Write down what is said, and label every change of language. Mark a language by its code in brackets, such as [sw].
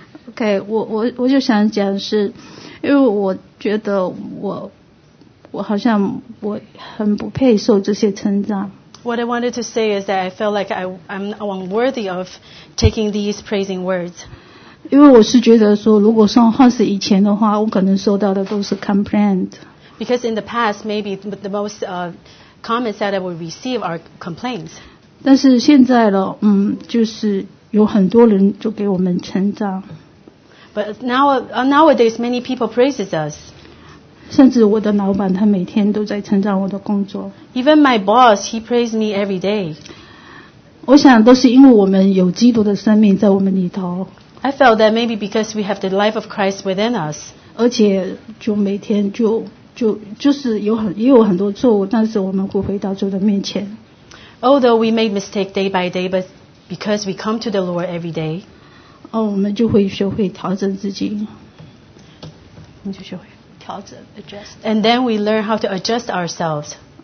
[zh] OK， 我就想讲是，因为我觉得我好像我很不配受这些称赞。 [en] What I wanted to say is that I felt like I'm unworthy of taking these praising words. [zh] 因为我是觉得说，如果算换是以前的话，我可能收到的都是 complaint。 [en] Because in the past, maybe the most comments that I would receive are complaints. [zh] 但是现在了，就是有很多人就给我们成长。 [en] But nowadays, many people praises us. [zh] 甚至我的老板他每天都在成长我的工作。 [en] Even my boss, he praises me every day. [zh] 我想都是因为我们有基督的生命在我们里头。 [en] I felt that maybe because we have the life of Christ within us. [zh] 而且就每天就是也有很多错误，但是我们会回到主的面前。 [en] Although we make mistake day by day, but because we come to the Lord every day, [zh] 我们就会学会调整自己， [en] adjust. And then we learn how to adjust ourselves.